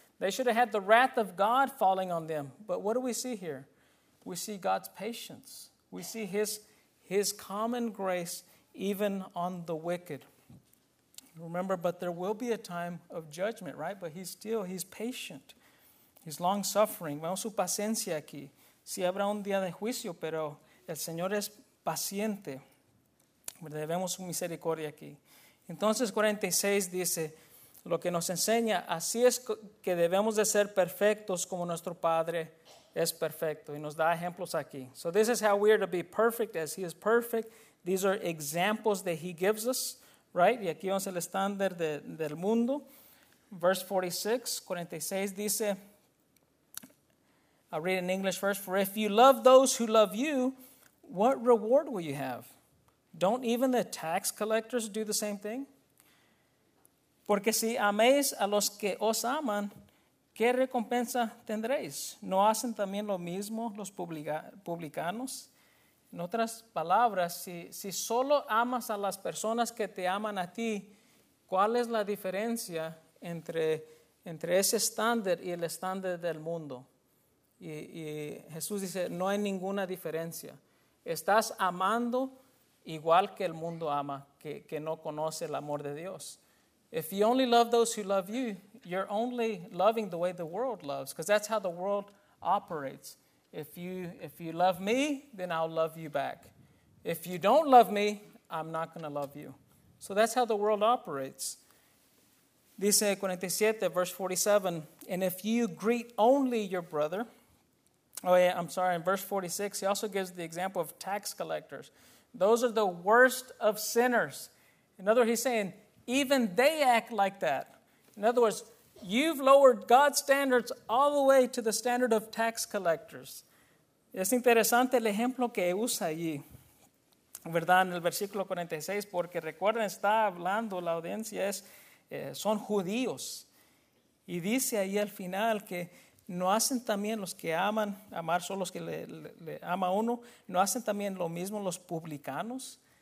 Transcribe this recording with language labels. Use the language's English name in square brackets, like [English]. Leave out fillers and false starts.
[English] They should have had the wrath of God falling on them. But what do we see here? We see God's patience. We see his common grace even on the wicked. Remember, but there will be a time of judgment, right? But he's patient. He's long-suffering. [Spanish] Vemos su paciencia aquí. Sí habrá un día de juicio, pero el Señor es paciente. Debemos su misericordia aquí. Entonces 46 dice, lo que nos enseña, así es que debemos de ser perfectos como nuestro Padre es perfecto. Y nos da ejemplos aquí. [English] So this is how we are to be perfect as he is perfect. These are examples that he gives us, right? [Spanish] Y aquí vamos al estándar del mundo. [English] Verse 46 dice, I'll read in English first. For if you love those who love you, what reward will you have? Don't even the tax collectors do the same thing? [Spanish] Porque si améis a los que os aman, ¿qué recompensa tendréis? ¿No hacen también lo mismo los publicanos? En otras palabras, si solo amas a las personas que te aman a ti, ¿cuál es la diferencia entre ese estándar y el estándar del mundo? Y Jesús dice, no hay ninguna diferencia. Estás amando igual que el mundo ama, que no conoce el amor de Dios. [English] If you only love those who love you, you're only loving the way the world loves, because that's how the world operates. If you love me, then I'll love you back. If you don't love me, I'm not going to love you. So that's how the world operates. Dice 47, verse 47, and if you greet only your brother, in verse 46, he also gives the example of tax collectors. Those are the worst of sinners. In other words, he's saying, even they act like that. In other words, you've lowered God's standards all the way to the standard of tax collectors. [Spanish] Es interesante el ejemplo que usa allí, ¿verdad? En el versículo 46, porque recuerden, está hablando la audiencia, son judíos. Y dice ahí al final que no hacen también los que aman, amar son los que le ama uno, no hacen también lo mismo los publicanos.